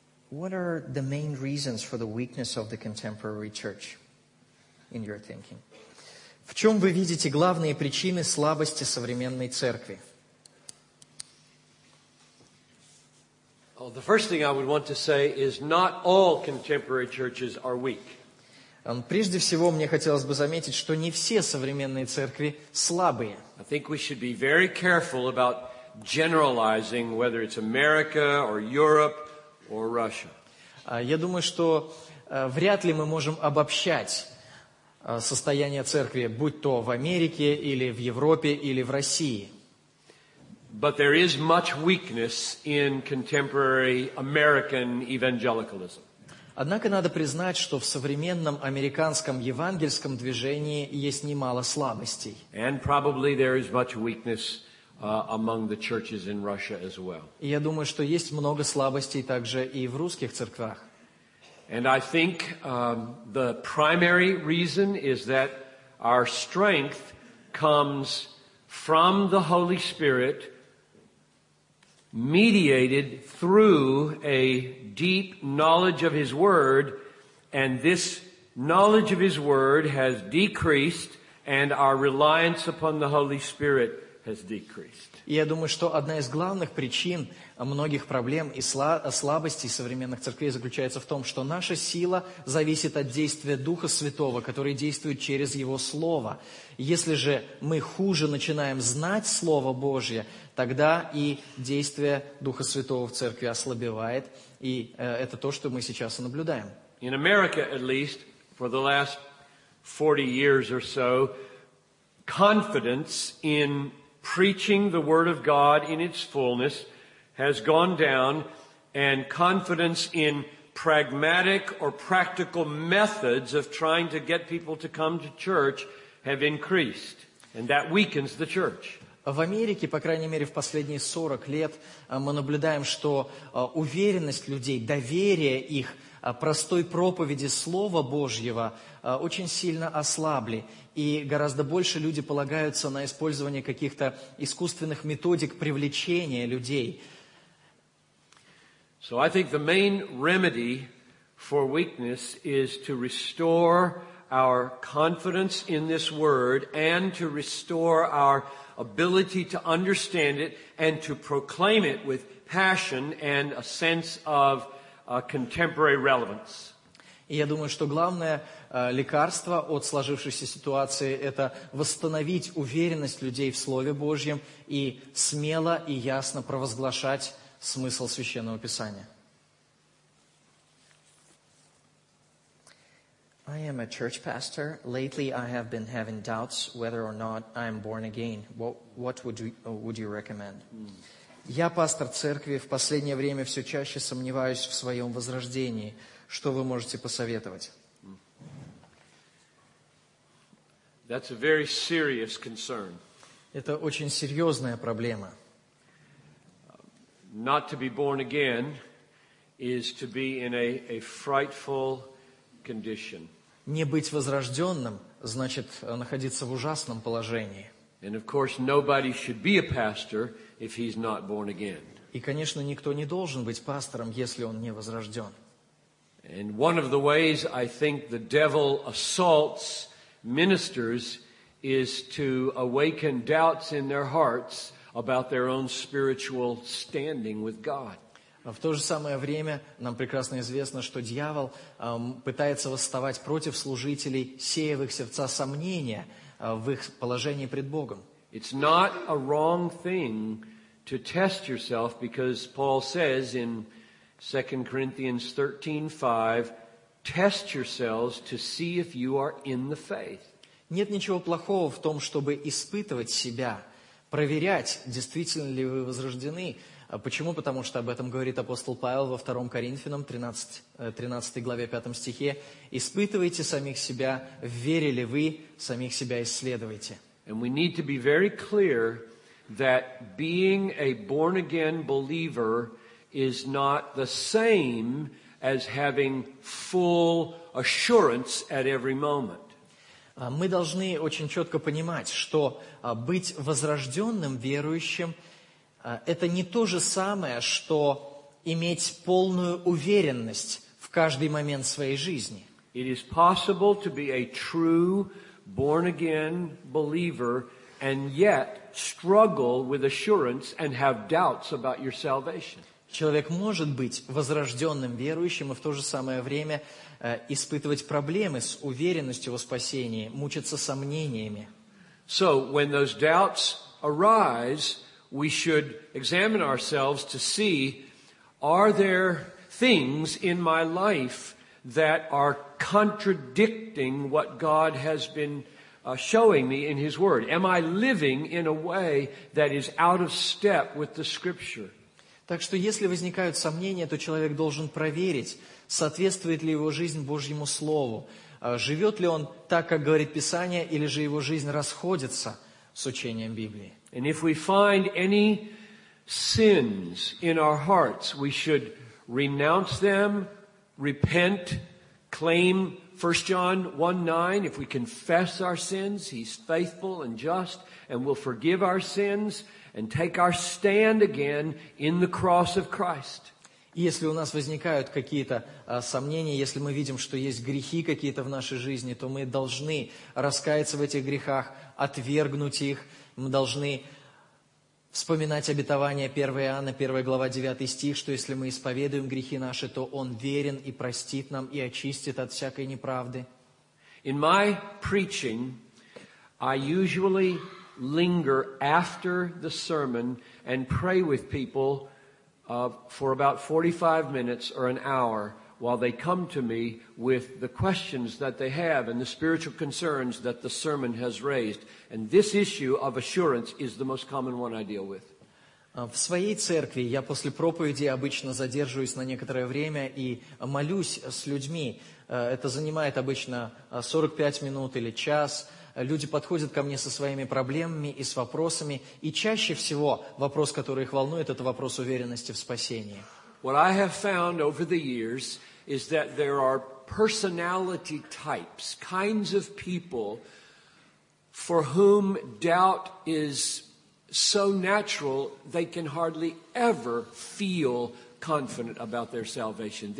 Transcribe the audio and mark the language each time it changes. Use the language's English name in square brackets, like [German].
[English] What are the main reasons for the weakness of the contemporary church in your thinking? [Russian] В чем вы видите главные причины слабости современной церкви? [English] Well, the first thing I would want to say is not all contemporary churches are weak. [Russian] Прежде всего, мне хотелось бы заметить, что не все современные церкви слабые. [English] I think we should be very careful about generalizing, whether it's America or Europe or Russia. [Russian] Я думаю, что вряд ли мы можем обобщать состояние церкви, будь то в Америке или в Европе или в России. [English] But there is much weakness in contemporary American evangelicalism. [Russian] Однако надо признать, что в современном американском евангельском движении есть немало слабостей. [English] And probably there is much weakness among the churches in Russia as well. [Russian] Я думаю, что есть много слабостей также и в русских церквях. [English] And I think the primary reason is that our strength comes from the Holy Spirit, mediated through a deep knowledge of His Word, and this knowledge of His Word has decreased, and our reliance upon the Holy Spirit has decreased. [Russian] Я думаю, что одна из главных причин многих проблем и слабостей современных церквей заключается в том, что наша сила зависит от действия Духа Святого, который действует через Его Слово. Если же мы хуже начинаем знать Слово Божье, тогда и действие Духа Святого в церкви ослабевает, и это то, что мы сейчас и наблюдаем. [English] In America, at least, for the last 40 years or so, confidence in preaching the Word of God in its fullness has gone down, and confidence in pragmatic or practical methods of trying to get people to come to church have increased, and that weakens the church. [Russian] В Америке, по крайней мере, в последние 40 лет мы наблюдаем, что уверенность людей, доверие их простой проповеди Слова Божьего очень сильно ослабли. И гораздо больше люди полагаются на использование каких-то искусственных методик привлечения людей. [English] So I think the main remedy for weakness is to restore our confidence in this word and to restore our ability to understand it and to proclaim it with passion and a sense of contemporary relevance. [Russian] И я думаю, что главное лекарство от сложившейся ситуации – это восстановить уверенность людей в Слове Божьем и смело и ясно провозглашать смысл Священного Писания. [English] I am a church pastor. Lately, I have been having doubts whether or not I am born again. What would you recommend? [Russian] Я пастор церкви. В последнее время все чаще сомневаюсь в своем возрождении. Что вы можете посоветовать? [English] That's a very serious concern. [Russian] Это очень серьезная проблема. [English] Not to be born again is to be in a frightful condition. [Russian] Не быть возрожденным значит находиться в ужасном положении. [English] And of course, nobody should be a pastor if he's not born again. [Russian] И, конечно, никто не должен быть пастором, если он не возрожден. [English] And one of the ways I think the devil assaults ministers is to awaken doubts in their hearts about their own spiritual standing with God. [Russian] В то же самое время нам прекрасно известно, что дьявол пытается восставать против служителей, сея в их сердца сомнения в их положении пред Богом. [English] It's not a wrong thing to test yourself, because Paul says in 2 Corinthians 13:5, test yourselves to see if you are in the faith. [Russian] Нет ничего плохого в том, чтобы испытывать себя, проверять, действительно ли вы возрождены. Почему? Потому что об этом говорит апостол Павел во 2 Коринфянам 13 главе 5 стихе. Испытывайте самих себя, верили ли вы, самих себя исследуйте. [English] And we need to be very clear that being a born-again believer is not the same as having full assurance at every moment. [Russian] Мы должны очень четко понимать, что быть возрожденным верующим – это не то же самое, что иметь полную уверенность в каждый момент своей жизни. [English] It is possible to be a true born-again believer and yet struggle with assurance and have doubts about your salvation. [Russian] Человек может быть возрожденным верующим и в то же самое время испытывать проблемы с уверенностью во спасении, мучиться сомнениями. [English] So, when those doubts arise, we should examine ourselves to see, are there things in my life that are contradicting what God has been showing me in His Word? Am I living in a way that is out of step with the Scripture? [Russian] Так что, если возникают сомнения, то человек должен проверить, соответствует ли его жизнь Божьему Слову, живет ли он так, как говорит Писание, или же его жизнь расходится с учением Библии. [English] And if we find any sins in our hearts, we should renounce them, repent, claim 1 John 1:9. If we confess our sins, He's faithful and just, and will forgive our sins, and take our stand again in the cross of Christ. [Russian] Если у нас возникают какие-то сомнения, если мы видим, что есть грехи какие-то в нашей жизни, то мы должны раскаяться в этих грехах, отвергнуть их. Мы должны вспоминать обетование 1 Иоанна, 1 глава, 9 стих, что если мы исповедуем грехи наши, то Он верен и простит нам и очистит от всякой неправды. [English] In my preaching, I usually linger after the sermon and pray with people for about 45 minutes or an hour while they come to me with the questions that they have and the spiritual concerns that the sermon has raised. And this issue of assurance is the most common one I deal with. [Russian] В своей церкви я после проповеди обычно задерживаюсь на некоторое время и молюсь с людьми. Это занимает обычно 45 минут или час. Люди подходят ко мне со своими проблемами и с вопросами, и чаще всего вопрос, который их волнует, это вопрос уверенности в спасении. [English] What I have found over the years is that there are personality types, kinds of people, for whom doubt is so natural they can hardly ever feel confident about their salvation.